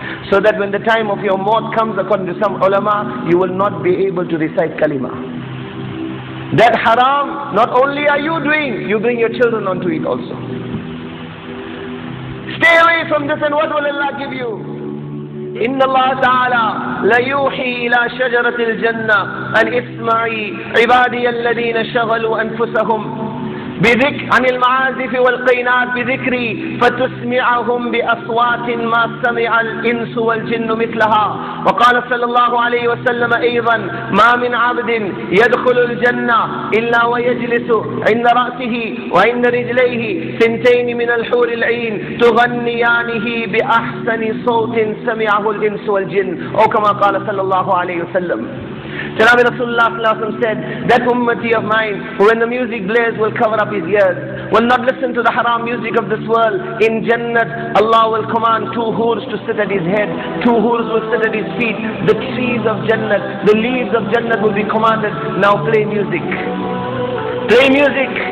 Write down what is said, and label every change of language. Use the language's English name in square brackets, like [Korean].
[English] So that when the time of your maut comes, according to some ulama, you will not be able to recite kalima. That haram, not only are you doing, you bring your children onto it also. Stay away from this, and what will Allah give you? [Arabic] إِنَّ اللَّهَ تَعَالَى لَيُوحِي إِلَى شَجَرَةِ الْجَنَّةِ أَنْ إِسْمَعِي عِبَادِيَ الَّذِينَ شَغَلُوا أَنفُسَهُمْ عن المعازف والقينات بذكري فتسمعهم بأصوات ما سمع الإنس والجن مثلها. وقال صلى الله عليه وسلم أيضا ما من عبد يدخل الجنة إلا ويجلس عند رأسه وعند رجليه سنتين من الحور العين تغنيانه بأحسن صوت سمعه الإنس والجن أو كما قال صلى الله عليه وسلم. [English] Jalabi Rasulullah sallallahu alayhi wa sallam said, that ummati of mine, when the music blares, will cover up his ears, will not listen to the haram music of this world. In Jannat, Allah will command two hoors to sit at his head, two hoors will sit at his feet. The trees of Jannat, the leaves of Jannat will be commanded, now play music. Play music.